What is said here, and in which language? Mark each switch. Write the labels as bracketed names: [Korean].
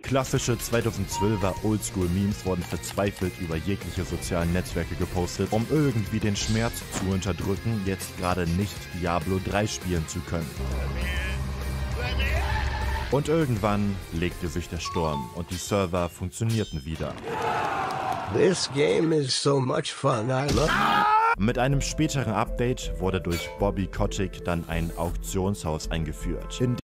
[German] Klassische 2012er Oldschool-Memes wurden verzweifelt über jegliche sozialen Netzwerke gepostet, um irgendwie den Schmerz zu unterdrücken, jetzt gerade nicht Diablo 3 spielen zu können. Und irgendwann legte sich der Sturm und die Server funktionierten wieder. [English] This game is so much fun, I love. [German] Mit einem späteren Update wurde durch Bobby Kotick dann ein Auktionshaus eingeführt.